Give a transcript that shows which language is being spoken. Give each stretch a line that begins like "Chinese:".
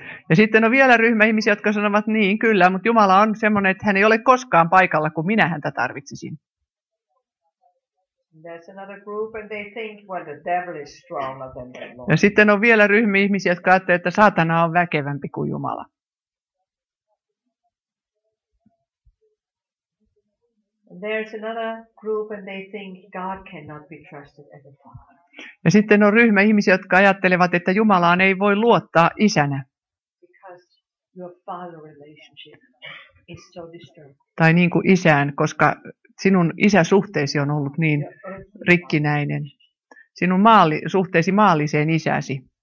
Finnish: Ja sitten on vielä ryhmä ihmisiä, jotka sanovat niin, kyllä, mutta Jumala on semmoinen, että hän ei ole koskaan paikalla, kun minä häntä tarvitsisin.
English: There's another group and they think, well, the devil is stronger than the Lord.
Finnish: Ja sitten on vielä ryhmä ihmisiä, jotka ajattelee, että saatana on väkevämpi kuin Jumala.
English: There's another group and they think God cannot be trusted as a father.
Finnish: Ja sitten on ryhmä ihmisiä, jotka ajattelevat, että Jumalaan ei voi luottaa isänä.
English: Because your father relationship is so disturbed.
Finnish: Tai niin kuin isään, koska sinun isäsuhteesi on ollut niin rikkinäinen. Sinun suhteesi maalliseen isäsi.